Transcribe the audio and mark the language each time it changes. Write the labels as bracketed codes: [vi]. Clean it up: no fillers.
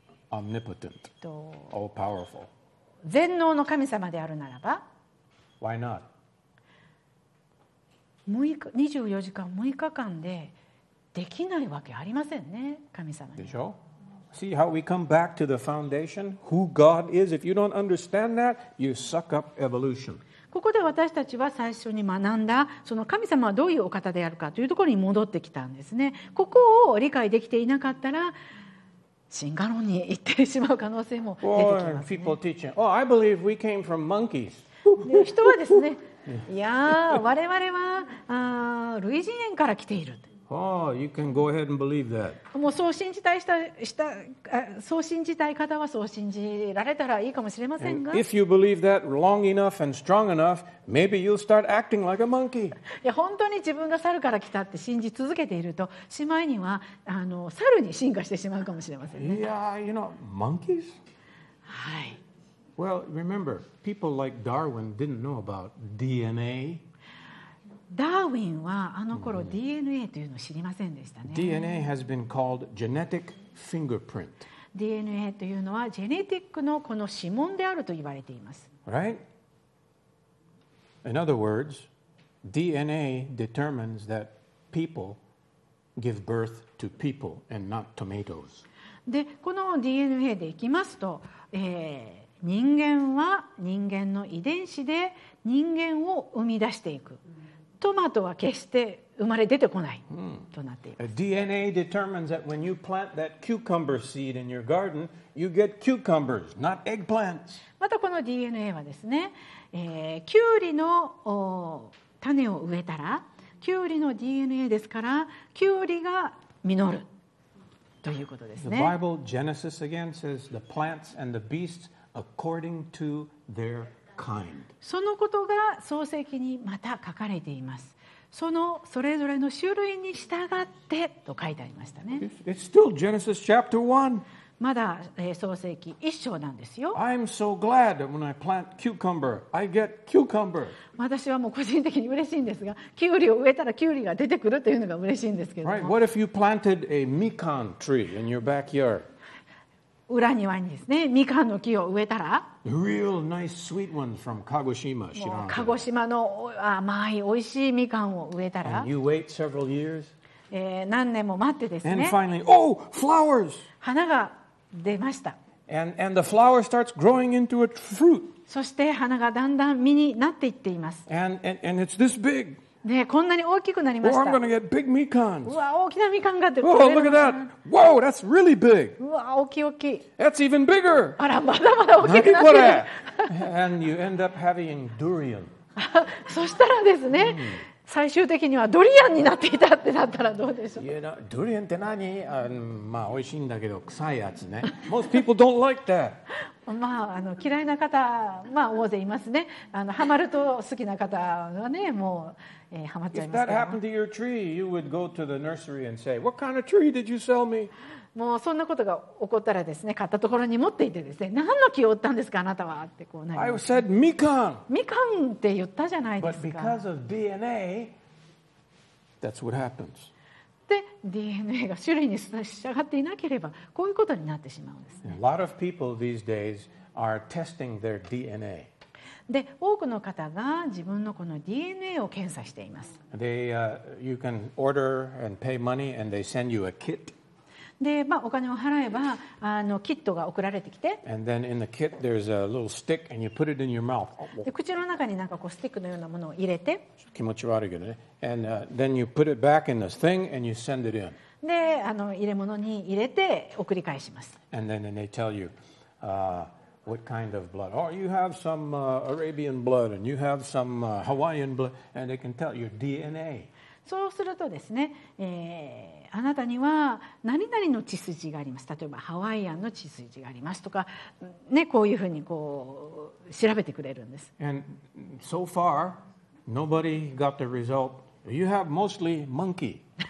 [en] Omnipotent, all powerful. [ja] 全能の神様であるならば、 [en] Why not? [ja] 24時間6日間でできないわけありませんね、神様に。でしょ? [en] See how we come back to the foundation? Who God is? If you don't understand that, you suck up evolution. [ja] ここで私たちは最初に学んだ、その神様はどういうお方であるかというところに戻ってきたんですね。ここを理解できていなかったら、進化論に行ってしまう可能性も出てきますね。 [en] People teaching, oh, I believe we came from monkeys. [ja] 人はですね、いや我々は類人猿から来ている。 Oh, [en] Oh, you can go ahead and believe that. [ja] もうそう信じたい人した、そう信じたい方はそう信じられたらいいかもしれませんが。 [en] And if you believe that long enough and strong enough, maybe you'll start acting like a monkey. [ja] いや本当に自分が猿から来たって信じ続けていると、しまいにはあの猿に進化してしまうかもしれませんね。 [en] Yeah, you know, monkeys? [ja] はい。 [en] Well, remember, people like Darwin didn't know about DNA. [ja] ダーウィンはあの頃 DNA というのを知りませんでしたね。 [en] DNA has been called genetic fingerprint. [ja] DNA というのはジェネティックのこの指紋であると言われています。 [en] Right? In other words, DNA determines that people give birth to people and not tomatoes. [ja] で、この DNA でいきますと、人間は人間の遺伝子で人間を生み出していく。トマトは決して生まれ出てこないとなっています。 [en] DNA determines that when you plant that cucumber seed in your garden, you get cucumbers, not eggplants. [ja] またこの DNA はですね、キュウリの種を植えたら、キュウリの DNA ですから、キュウリが実るということですね。 [en] The Bible Genesis again says the plants and the beasts according to their kind [ja] そのことが創世記にまた書かれています。そのそれぞれの種類に従ってと書いてありましたね。 [en] It's still Genesis chapter 1. [ja] まだ創世記一章なんですよ。 [en] I'm so glad that when I plant cucumber, I get cucumber. [ja] 私はもう個人的に嬉しいんですが、キュウリを植えたらキュウリが出てくるというのが嬉しいんですけども。 [en] Right. What if you planted a mikan tree in your backyard? [ja] 裏庭にですね、みかんの木を植えたら、 [en] Real nice sweet ones from Kagoshima, [ja] 鹿児島の甘い美味しいみかんを植えたら、 [en] And you wait several years. [ja] 何年も待ってですね、 [en] And finally, oh, flowers! [ja] 花が出ました。 [en] And the flower starts growing into a fruit. [ja] そして花がだんだん実になっていっています。 [en] And it's this big. [ja] ね、こんなに大きくなりました。 [en] Oh, I'm gonna get big mikans. [ja] うわ、大きなみかんがって。 [en] Oh, look at that! Whoa, that's really big. [ja] うわ、大きい大きい。 [en] That's even bigger. [ja] あら、まだまだ大きくなってる。何これ？ [en] And you end up having durian. [ja] そしたらですね、最終的にはドリアンになっていたってなったらどうでしょう？ [en] You know, [ja] ドリアンって何？まあ美味しいんだけど臭いやつね。 [en] Most people don't like that. [ja] まあ、あの嫌いな方、まあ大勢いますね。あのハマると好きな方はね、もう。 [en] If that happened to your tree, you would go to the nursery and say, "What kind of tree did you sell me?" [ja] もうそんなことが起こったらですね、買ったところに持っていてですね、何の木を売ったんですかあなたはってこうなります。 [en] I said, "Mikan." [ja] みかんって言ったじゃないですか。 [en] But because of DNA, that's what happens. [ja] で、DNA が種類に従っていなければこういうことになってしまうんですね。 [en] A lot of people these days are testing their DNA. [ja] で多くの方が自分のこの DNA を検査しています。 [en] You can order and pay money and they send you a kit. [ja] で、まあ、お金を払えばあのキットが送られてきて。 [en] And then in the kit there's a little stick and you put it in your mouth. [ja] で口の中になんかこうスティックのようなものを入れて。気持ち悪いけどね。 [en] And then you put it back in this thing and you send it in. [ja] で、あの入れ物に入れて送り返します。 [en] And then they tell you. What kind of blood? Oh, you have some Arabian blood, and you have some Hawaiian blood, and they can tell your DNA. [ja] そうするとですね、あなたには何々の血筋があります。例えばハワイアンの血筋がありますとか、ね、こういうふうにこう調べてくれるんです。 [en] And so far, nobody got the result. You have mostly monkey.